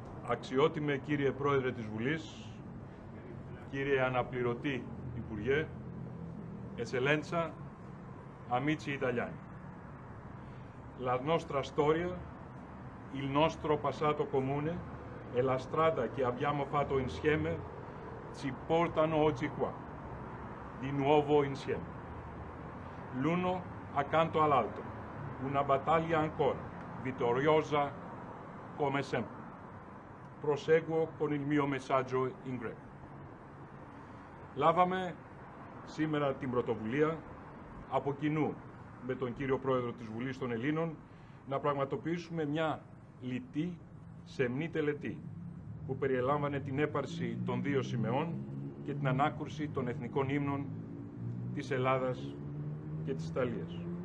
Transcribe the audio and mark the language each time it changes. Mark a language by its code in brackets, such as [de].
[el] Αξιότιμε κύριε Πρόεδρε της Βουλής, κύριε Αναπληρωτή Υπουργέ, [it] Εσελέντσα, Αμίτσι Ιταλιάνι. La nostra storia, il nostro passato comune e la strada che abbiamo fatto insieme ci portano oggi qua, di nuovo insieme. L'uno accanto all'altro, una battaglia ancora, vittoriosa come sempre. Proseguo con il mio messaggio in greco. [el] Λάβαμε σήμερα την πρωτοβουλία από κοινού με τον κύριο Πρόεδρο της Βουλής των Ελλήνων να πραγματοποιήσουμε μια λιτή, σεμνή τελετή που περιελάμβανε την έπαρση των δύο σημαίων και την ανάκουρση των εθνικών ύμνων της Ελλάδας και της Ιταλίας.